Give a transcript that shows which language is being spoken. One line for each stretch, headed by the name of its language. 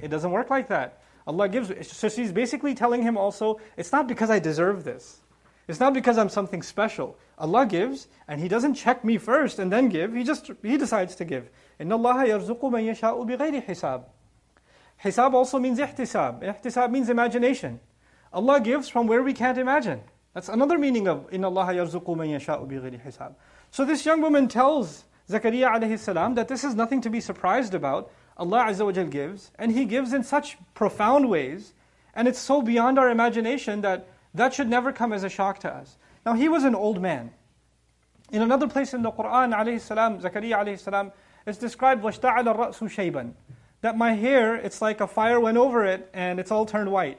English: It doesn't work like that. Allah gives. So she's basically telling him also, it's not because I deserve this. It's not because I'm something special. Allah gives, and He doesn't check me first and then give. He decides to give.
Arabic: إِنَّ اللَّهَ يَرْزُقُ مَنْ يَشَاءُ بِغَيْرِ حِسَابٍ.
English: Hisab also means ihtisab. Ihtisab means imagination. Allah gives from where we can't imagine. That's another meaning of
Arabic: إِنَّ اللَّهَ يَرْزُقُ مَنْ يَشَاءُ بِغَيْرِ حِسَابٍ.
English: So this young woman tells Zakariya alayhi salam that this is nothing to be surprised about. Allah Azza wa Jal gives, and He gives in such profound ways, and it's so beyond our imagination that should never come as a shock to us. Now he was an old man. In another place in the Qur'an, alayhi salam, Zakariya alayhi salam, it's described,
Arabic: وَاشْتَعَلَ الرَّأْسُ شَيْبًا,
English: that my hair, it's like a fire went over it, and it's all turned white.